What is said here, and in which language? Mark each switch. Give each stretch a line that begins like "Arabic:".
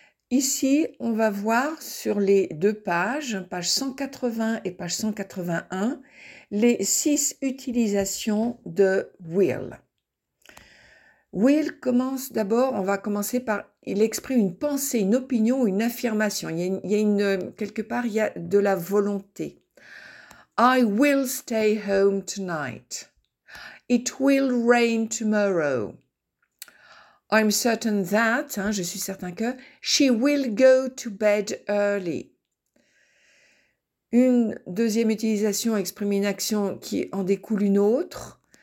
French: Ici, on va voir sur les deux pages, page 180 et page 181, les 6 utilisations de will. Will commence d'abord, on va commencer par, il exprime une pensée, une opinion ou une affirmation. Il y a de la volonté.
English: I will stay home tonight. It will rain tomorrow.
French: I'm certain that, hein, je suis certain que, she will go to bed early. Une deuxième utilisation exprime une action qui en découle une autre.